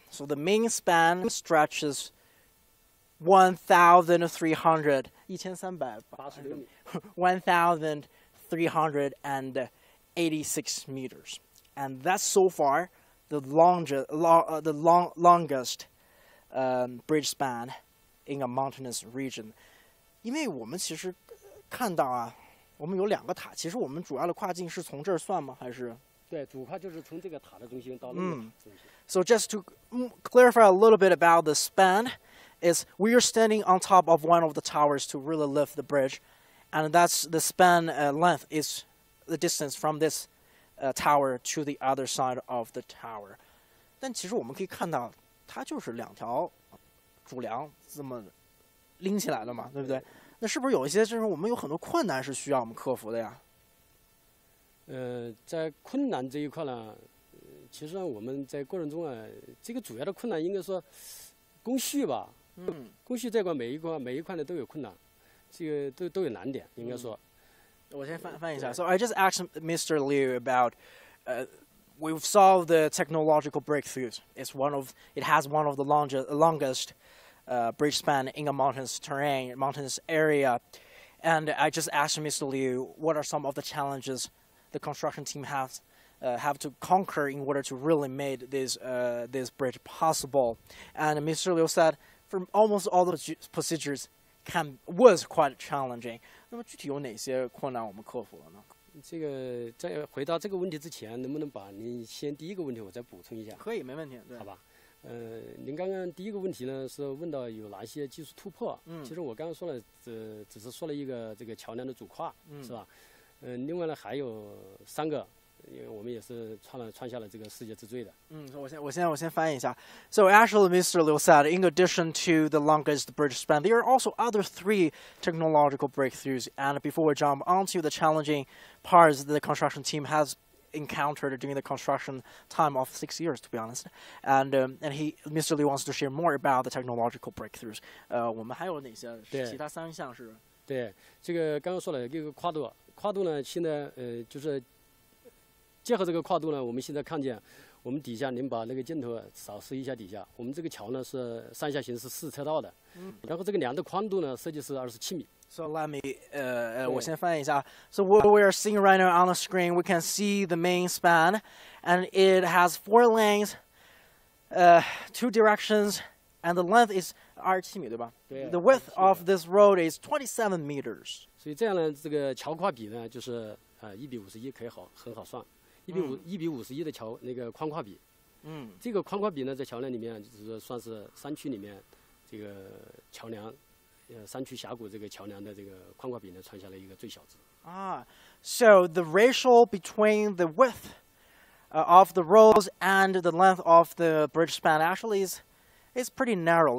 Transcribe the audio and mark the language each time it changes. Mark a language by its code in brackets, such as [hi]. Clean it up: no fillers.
[en] So the main span stretches 1,386 meters, and that's so far the longest bridge span in a mountainous region. [zh] 因为我们其实看到啊，我们有两个塔，其实我们主要的跨境是从这儿算吗？还是？对，主跨就是从这个塔的中心到那个中心。 [en] So just to clarify a little bit about the span, is we are standing on top of one of the towers to really lift the bridge, and that's the span length is. The distance from this tower to the other side of the tower. [zh] 但其实我们可以看到它就是两条主梁这么拎起来的嘛，对不对？那是不是有一些就是我们有很多困难是需要我们克服的呀？在困难这一块呢，其实我们在过程中啊，这个主要的困难应该说工序吧。工序这块每一块呢都有困难，这个都有难点，应该说。 [en] So I just asked Mr. Liu about, we've saw the technological breakthroughs. It has one of the longest bridge span in a mountainous terrain, mountainous area. And I just asked Mr. Liu, what are some of the challenges the construction team have to conquer in order to really make this bridge possible? And Mr. Liu said, for almost all the procedures, was quite challenging. [zh] 那么具体有哪些困难我们克服了呢？这个在回答这个问题之前，能不能把您先第一个问题我再补充一下？可以，没问题，对，好吧。您刚刚第一个问题呢是问到有哪些技术突破？其实我刚刚说了，只是说了一个这个桥梁的主跨，是吧？另外呢还有三个，因为我们也是创下了这个世界之最的。我先翻译一下。 [en] So actually, Mr. Liu said, in addition to the longest bridge span, there are also other three technological breakthroughs. And before we jump onto the challenging parts that the construction team has encountered during the construction time of 6 years, to be honest, and he, Mr. Liu, wants to share more about the technological breakthroughs. [zh] 我们还有哪些其他三项是？对，这个刚刚说了一个跨度呢，现在就是。结合这个跨度呢，我们现在看见我们底下，您把那个镜头扫视一下底下，我们这个桥呢是上下行是四车道的，然后这个梁的宽度呢设计是27米。 [en] So let me, [zh] 我先翻译一下。 [en] So what we are seeing right now on the screen, we can see the main span, and it has four lanes, two directions, and the length is 27米， [zh] 对吧？对。 [en] The width of this road is 27 meters. [zh] 所以这样呢，这个桥跨比呢就是1:51，可以很好算。 1:51的桥那个宽跨比，这个宽跨比呢，在桥梁里面就是算是山区里面这个桥梁，山区峡谷这个桥梁的这个宽跨比呢，创下了一个最小值。 [en] So the ratio between the width of the roads and the length of the bridge span actually is pretty narrow.